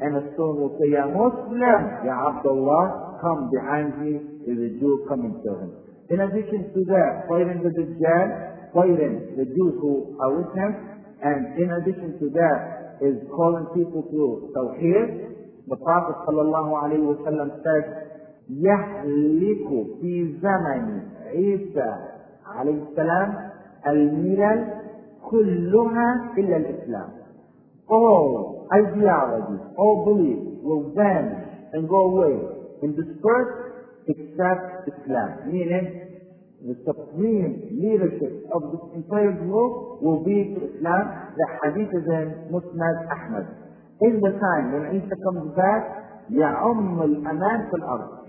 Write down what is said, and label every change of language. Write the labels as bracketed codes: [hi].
[en] And a stone will say, Ya Muslim, Ya Abdullah, come behind me. There's a Jew coming to him. In addition to that, fighting the Dajjal, fighting the Jews who are with him, and in addition to that, is calling people to Tawheed. The Prophet sallallahu alayhi wa sallam said, [ar] يَحْلِكُ فِي زَمَنِ عِيسَى عَلَيْهِ السَّلَامِ الْمِلَلْ كُلُّهَا إِلَّا الْإِسْلَامِ. [en] All ideology, all belief will vanish and go away and disperse except Islam. Meaning, the supreme leadership of this entire group will be to Islam. The hadith is in Musnad Ahmad. In the time when Isa comes back, [ar] يَعُمُّ الْأَمَانِ فِي الْأَرْضِ.